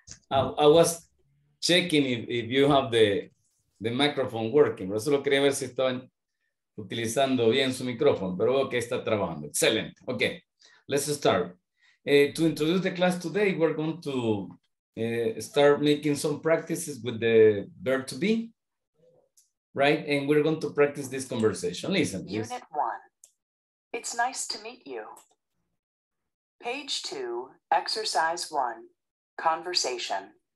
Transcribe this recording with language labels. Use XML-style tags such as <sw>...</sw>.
<en>I was checking if you have the microphone working.</en> <es>Pero solo quería ver si estaban utilizando bien su micrófono. Pero veo que está trabajando.</es> <en>Excellent. Okay, let's start. To introduce the class today, we're going to start making some practices with the verb to be, right? And we're going to practice this conversation. Listen. Unit please. One. It's nice to meet you. Page two, exercise one, conversation.</en>